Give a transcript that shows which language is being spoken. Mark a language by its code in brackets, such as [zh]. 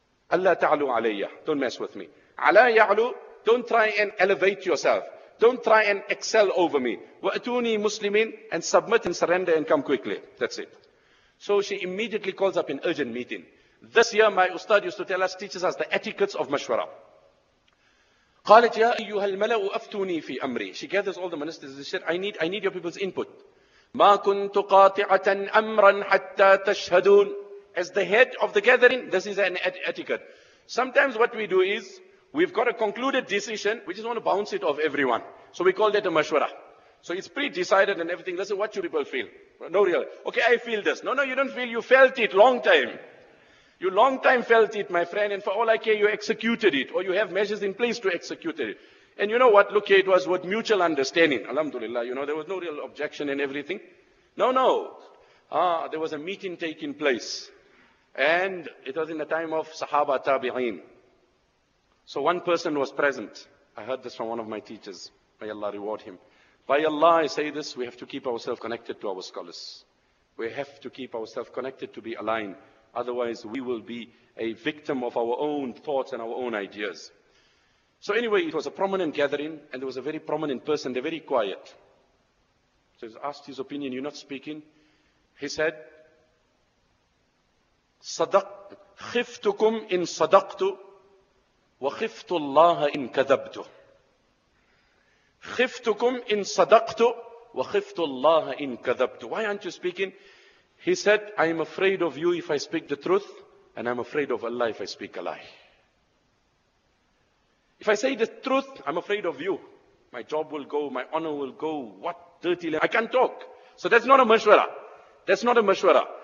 [ar] Allah ta'alu alayya, [en] don't mess with me. [ar] Ala ya'alu, [en] don't try and elevate yourself. Don't try and excel over me. [ar] Wa'atuni muslimin, [en] and submit and surrender and come quickly. That's it. So she immediately calls up an urgent meeting. This year, my ustad used to tell us, teaches us the etiquettes of mashwara. [ar] قالت يا أيها الملأ أفتوني في أمري. [en] She gathers all the ministers and said, I need your people's input. [ar] ما كنت قاطعة أمرا حتى تشهدون. [en] As the head of the gathering, this is an etiquette. Sometimes what we do is, we've got a concluded decision, we just want to bounce it off everyone. So we call that a mashwara. So it's pre-decided and everything. Listen, what you people feel? No, really. Okay, I feel this. No, you don't feel, you felt it long time. You long time felt it, my friend, and for all I care, you executed it, or you have measures in place to execute it. And you know what? Look here, it was with mutual understanding. Alhamdulillah, you know, there was no real objection and everything. No. There was a meeting taking place. And it was in the time of Sahaba Tabi'in. So one person was present. I heard this from one of my teachers. May Allah reward him. By Allah, I say this, we have to keep ourselves connected to our scholars. We have to keep ourselves connected to be aligned. Otherwise, we will be a victim of our own thoughts and our own ideas. So anyway, it was a prominent gathering, and there was a very prominent person. They're very quiet. So he asked his opinion, you're not speaking. He said, [ar] صدق خفتكم إن صدقت وخفت الله إن كذبت. خفتكم إن صدقت وخفت الله إن كذبت. [en] Why aren't you speaking? He said, I am afraid of you if I speak the truth, and I'm afraid of Allah if I speak a lie. If I say the truth, I'm afraid of you. My job will go, my honor will go. What dirty language. I can't talk. So that's not a mashwara. That's not a mashwara.